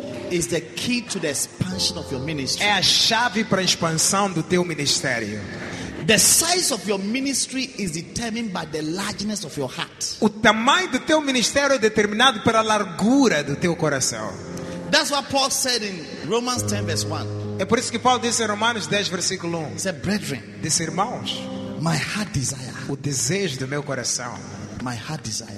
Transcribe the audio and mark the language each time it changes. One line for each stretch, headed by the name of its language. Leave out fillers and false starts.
English: is the key to the expansion of your ministry.
Portuguese: É a chave para a expansão do teu ministério.
English: The size of your ministry is determined by the largeness of your heart.
Portuguese: O tamanho do teu ministério é determinado pela largura do teu coração.
English: That's what Paul said in Romans 10 verse 1.
Portuguese: É por isso que Paulo disse em Romanos 10 versículo 1.
English: He said, brethren,
Portuguese: disse, irmãos,
English: my heart desire,
Portuguese: o desejo do meu coração,
English: my heart desire,